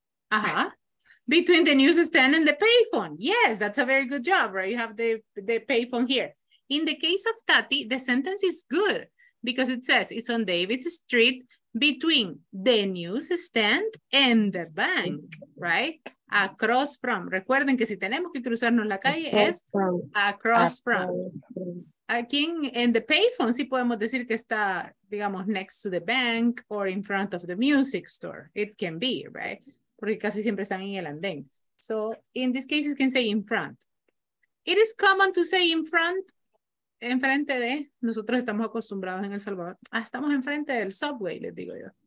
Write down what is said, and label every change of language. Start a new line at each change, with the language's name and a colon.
English: Uh-huh. Between the newsstand and the payphone. Yes, that's a very good job, right? You have the payphone here. In the case of Tati, the sentence is good because it says it's on David's Street between the newsstand and the bank, right? Across from.
Spanish: Recuerden que si tenemos que cruzarnos la calle es
English: across from.
Spanish: Aquí en
English: the payphone,
Spanish: sí podemos decir que está, digamos,
English: next to the bank or in front of the music store. It can be, right?
Spanish: Porque casi siempre están en el andén.
English: So, in this case, you can say in front. It is common to say in front,
Spanish: enfrente de, nosotros estamos acostumbrados en El Salvador, estamos enfrente del subway, les digo yo.